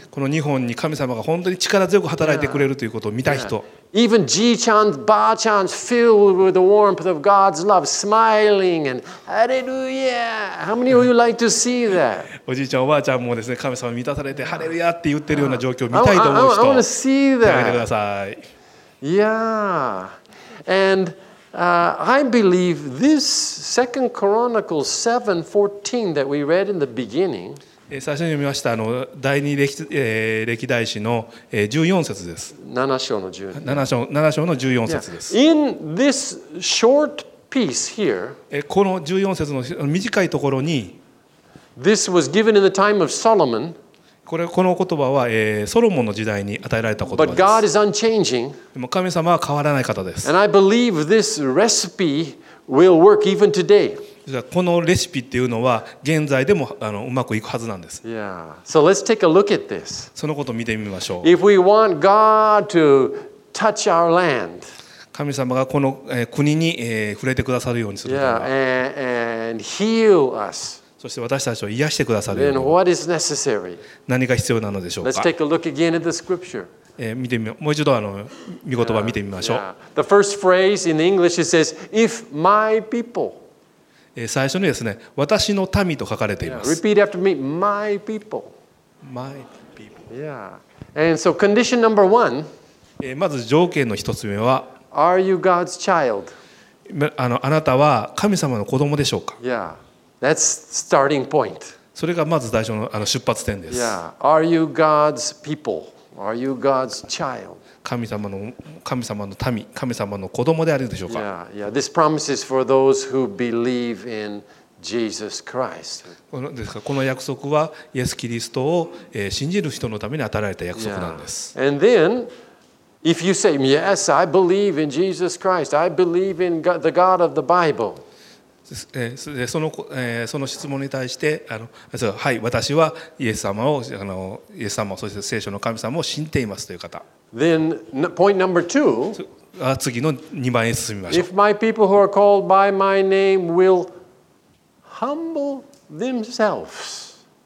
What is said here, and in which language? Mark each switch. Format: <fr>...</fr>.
<ja>この日本に神様が本当に力強く働いてくれるということを見たい人。</ja> <en>Yeah. Even G-chan, Ba-chan's filled with the warmth of God's love, smiling and Hallelujah. How many of you like to see that?</en> <ja>おじいちゃんおばあちゃんもですね、神様満たされてハレルヤって言ってるような状況を見たいと思う人。</ja> <en>I want to see that.</en> <ja>見てください。</ja> <en>Yeah. And I believe this 2 Chronicles 7:14 that we read in the beginning.</en> <ja>最初に読みました第二歴代史の14節です。 7章の14節です。</ja> <en>In this short piece here,</en> <ja>この14節の短いところに、</ja> <en>This was given in the time of Solomon.</en> <ja>この言葉はソロモンの時代に与えられた言葉です。</ja> <en>But God is unchanging.</en> <ja>でも神様は変わらない方です。</ja> <en>And I believe this recipe will work even today.</en> <ja>このレシピっていうのは現在でもうまくいくはずなんです。</ja> <en>Yeah. So let's take a look at this.</en> <ja>そのことを見てみましょう。</ja> <en>If we want God to touch our land,</en> <ja>神様がこの国に触れてくださるようにするため、</ja> <en>Yeah. And heal us.</en> <ja>そして私たちを癒してくださるように。</ja> <en>Then what is necessary?</en> <ja>何が必要なのでしょうか。</ja> <en>Let's take a look again at the scripture.</en> <ja>見てみもう一度御言葉見てみましょう。</ja> <en>Yeah. The first phrase in English it says, "If my people."</en> <ja>最初にですね、私の民と書かれています。</ja> <en>Repeat after me, my people. My people. Yeah. And so condition number one.</en> <ja>まず条件の一つ目は、</ja> <en>Are you God's child?</en> <ja>あなたは神様の子供でしょうか。</ja> <en>Yeah. That's starting point.</en> <ja>それがまず最初の出発点です。</ja> <en>Yeah. Are you God's people? Are you God's child?</en> <ja>神様の民、神様の子供であるでしょうか。</ja> <en>Yeah, yeah. This promise is for those who believe in Jesus Christ.</en> <ja>この約束はイエス・キリストを信じる人のために与えられた約束なんです。</ja> <en>Yeah. And then, if you say, "Yes, I believe in Jesus Christ. I believe in God, the God of the Bible."</en> <ja>その質問に対して、はい、私はイエス様を、イエス様、そして聖書の神様を信じていますという方。</ja> <en>Then, point number two,</en> <ja>次の2番へ進みましょう。</ja> <en>If my people who are called by my name will humble themselves,</en>